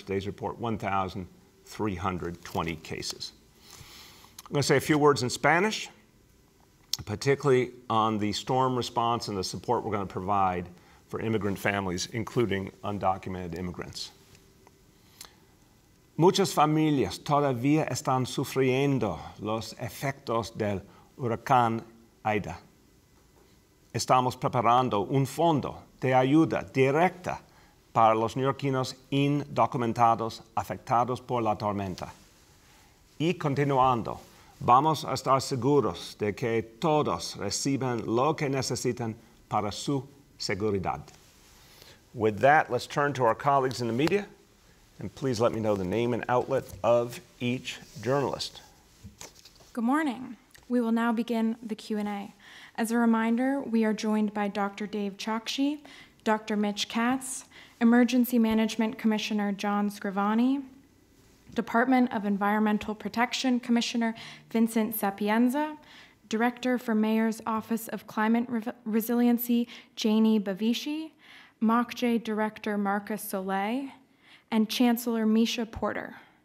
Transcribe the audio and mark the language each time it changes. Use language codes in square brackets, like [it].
[en] Today's report, 1,320 cases. I'm going to say a few words in Spanish, particularly on the storm response and the support we're going to provide for immigrant families, including undocumented immigrants. [es] Muchas familias todavía están sufriendo los efectos del huracán Ida. Estamos preparando un fondo de ayuda directa para los neoyorquinos indocumentados afectados por la tormenta. Y continuando, vamos a estar seguros de que todos reciben lo que necesitan para su seguridad. [en] With that, let's turn to our colleagues in the media, and please let me know the name and outlet of each journalist. Good morning. We will now begin the Q&A. As a reminder, we are joined by Dr. Dave Chokshi, Dr. Mitch Katz, Emergency Management Commissioner John Scrivani, Department of Environmental Protection Commissioner Vincent Sapienza, Director for Mayor's Office of Climate Resiliency Janie Bavishi, MACJ Director Marcus Soleil, and Chancellor Misha Porter.